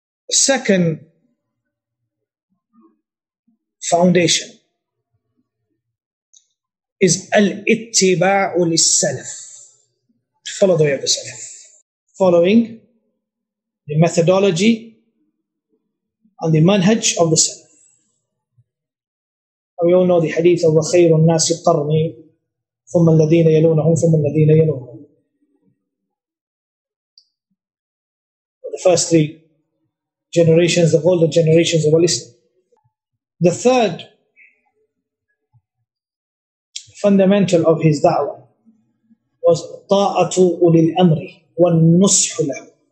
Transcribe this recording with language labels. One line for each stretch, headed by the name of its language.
English: Second foundation is Al-Ittiba'u lis-Salaf. Follow the way of the Salaf. Following the methodology on the manhaj of the Salaf. We all know the hadith of
Arabic: وَخَيْرُ النَّاسِ قَرْنِي ثُمَّ الَّذِينَ يَلُونَهُمْ ثُمَّ الَّذِينَ يَلُونَهُمْ.
English: The first three generations, the older generations of Al-Islam. The third fundamental of his da'wah was
Arabic: طَاعَةُ أُولِي الْأَمْرِ وَالنُّصْحُ لَهُ.